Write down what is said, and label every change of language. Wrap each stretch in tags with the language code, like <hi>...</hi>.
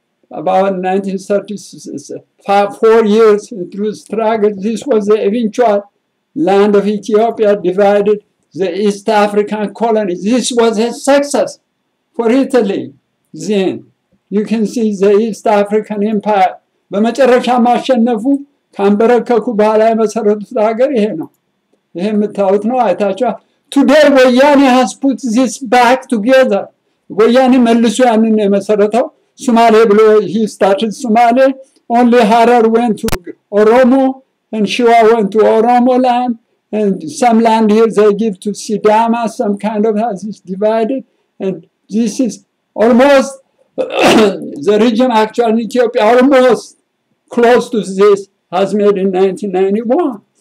<en>About 1935, 4 years through struggle, this was the eventual land of Ethiopia divided the East African colonies. This was a success for Italy then. You can see the East African Empire.</en> <am>በመጨረሻ ማሸነፉ ካንበረከኩ በኋላ የመሰረቱት ሀገር ይሄ ነው። ይሄ የምታዩት ነው አይታችኋል።</am> <en>Today ወያኔ has put this back together.</en> <am>ወያኔ መልሶ ያንን የመሰረተው ሱማሌ ብሎ</am> <en>he started Somalia. Only Harar went to Oromo and Shiwa went to Oromo land. And some land here they give to Sidama, some kind of has is divided. And this is almost, the region actually in Ethiopia, almost close to this, has made in 1991.</en>